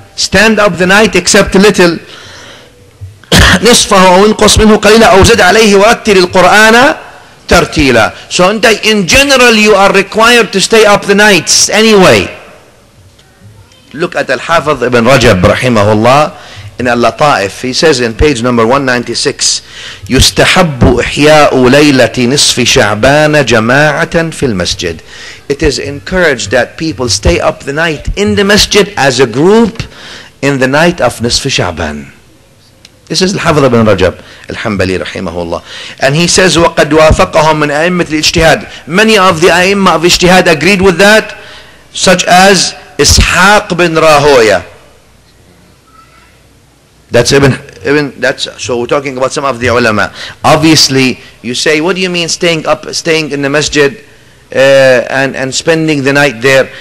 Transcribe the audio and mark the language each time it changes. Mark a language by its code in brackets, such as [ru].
[en] Stand up the night except a little. [ar] نِصْفَهُ أَوْ انْقُصْ مِنْهُ قَلِيلًا أَوْ زِدْ عَلَيْهِ وَأَكْتِرِ الْقُرْآنَ ترتيلا. [en] So in general you are required to stay up the nights anyway. Look at Al-Hafiz Ibn Rajab رحمه الله in Al-Lataif. He says in page number 196, [ar] يستحب إحياء ليلة نصف شعبان جماعة في المسجد. [en] It is encouraged that people stay up the night in the masjid as a group in the night of نصف شعبان. This is Al-Hafiz Ibn Rajab Al-Hanbali رحمه الله. And he says [ar] وقد وافقهم من أئمة الاجتهاد. [en] Many of the أئمة of اجتهاد agreed with that, such as إسحاق بن راهوية. That's Ibn, that's, so we're talking about some of the ulama. Obviously you say, what do you mean staying in the masjid and spending the night there?